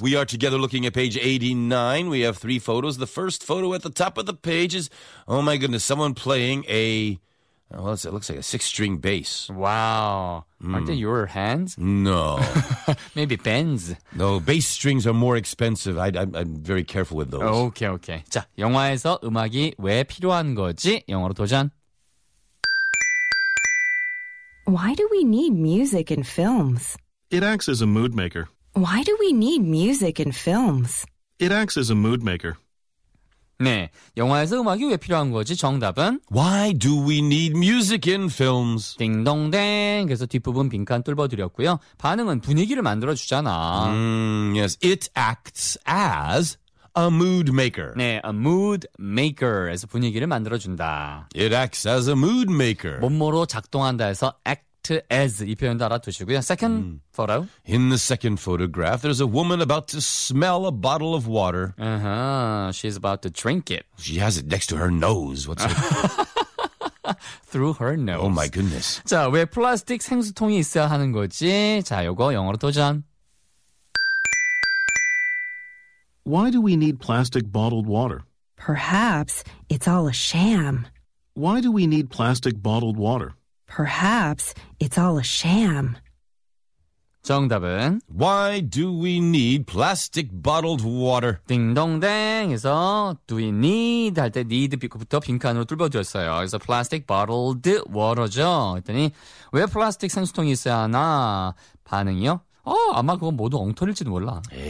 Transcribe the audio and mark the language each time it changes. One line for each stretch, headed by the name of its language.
English: We are together looking at page 89. We have three photos. The first photo at the top of the page is, oh my goodness, someone playing a, well, it looks like a six-string bass. Wow. Mm. Aren't they your hands? No. Maybe bends. No, bass strings are more expensive. I'm very careful with those. Okay, okay.
Korean: 자, 영화에서 음악이 왜 필요한 거지? 영어로 도전.
English: Why do we need music in films? It acts as a mood maker. Why do we need music in films? It acts as a mood maker.
Korean: 네, 영화에서 음악이 왜 필요한 거지? 정답은
English: Why do we need music in films?
Korean: 딩동댕. 그래서 뒷부분 빈칸 뚫어드렸고요. 반응은 분위기를 만들어주잖아.
English: Yes, it acts as a mood maker. 네, a mood maker.
Korean: 에서 분위기를 만들어준다.
English: It acts as a mood maker.
Korean: 몸으로 작동한다 해서 act. To as 이 표현도 알아두시고요.
English: Second photo. In the second photograph, there's a woman about to smell a bottle of water. She's about to drink it. She has it next to her nose. What's her through her nose? Oh my goodness.
Korean: 자, 왜 플라스틱 생수통이 있어야 하는 거지? 자, 요거 영어로 도전.
English: Why do we need plastic bottled water? Perhaps it's all a sham. Why do we need plastic bottled water? Perhaps it's all a sham.
Korean: 정답은
English: Why do we need plastic bottled water?
Korean: 딩동댕. 그래서
English: do we need
Korean: 할 때 need부터 빈칸으로 뚫어드렸어요. 그래서
English: plastic bottled water죠.
Korean: 그랬더니 왜 플라스틱 생수통이 있어야 하나? 반응이요? 아마 그건 모두 엉터리일지도 몰라.